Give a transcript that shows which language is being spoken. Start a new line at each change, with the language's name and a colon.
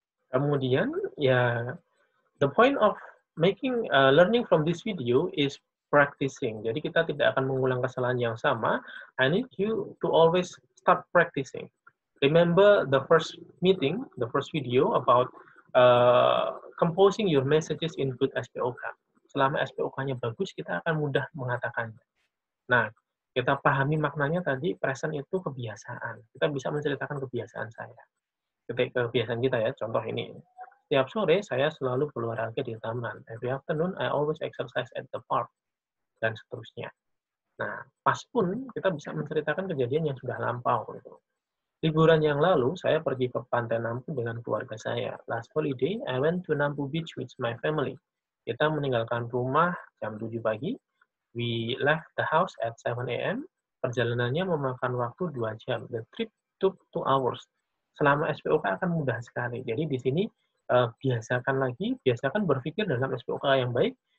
Indonesian: Kemudian, ya,
English: the point of making learning from this video is practicing.
Indonesian: Jadi kita tidak akan mengulang kesalahan yang sama.
English: I need you to always start practicing. Remember the first meeting, the first video about composing your messages in good SPOK.
Indonesian: Selama SPOK-nya bagus, kita akan mudah mengatakannya. Nah, kita pahami maknanya tadi, present itu kebiasaan. Kita bisa menceritakan kebiasaan saya. Kebiasaan kita ya, contoh ini. Setiap sore, saya selalu berolahraga di taman.
English: Every afternoon, I always exercise at the park.
Indonesian: Dan seterusnya. Nah, pas pun kita bisa menceritakan kejadian yang sudah lampau. Gitu. Liburan yang lalu, saya pergi ke Pantai Nampu dengan keluarga saya.
English: Last holiday, I went to Nampu Beach with my family.
Indonesian: Kita meninggalkan rumah jam 7 pagi.
English: We left the house at 7 a.m.
Indonesian: Perjalanannya memakan waktu 2 jam.
English: The trip took 2 hours.
Indonesian: Selama SPOK akan mudah sekali. Jadi di sini, biasakan berpikir dalam SPOK yang baik.